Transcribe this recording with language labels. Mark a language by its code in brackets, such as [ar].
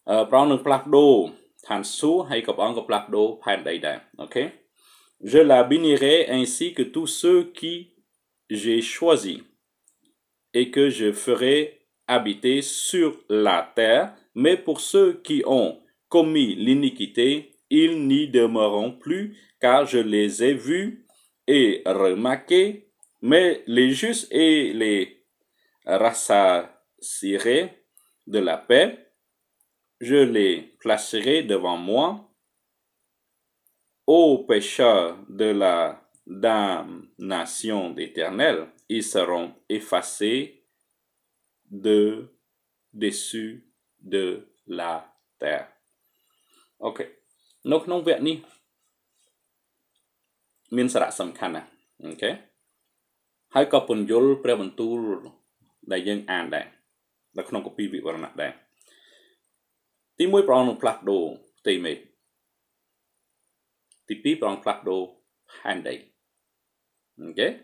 [km] ប្រងនឹងផ្លាស់ប្ដូរឋានសួគ៌ហើយក៏ប្រងក៏ផ្លាស់ប្ដូរផែនដីដែរអូខេ [fr] je la bénirai ainsi que tous ceux qui j'ai choisi et que je ferai habiter sur la terreMais pour ceux qui ont commis l'iniquité, ils n'y demeureront plus, car je les ai vus et remarqués. Mais les justes et les rassasirai de la paix, je les placerai devant moi. Ô pécheurs de la damnation éternelle, ils seront effacés de dessus. De la terre. OK. [km] នៅក្នុងវគ្គនេះមានសារៈសំខាន់ណាស់ OK. ហើយក៏ពន្យល់ព្រះបន្ទូលដែលយើងអានដែរនៅក្នុងកូពីវិវរណៈដែរទី1ប្រងនឹងផ្លាស់ដូរផ្ទៃមេឃទី2ប្រងផ្លាស់ដូរផែនដី OK.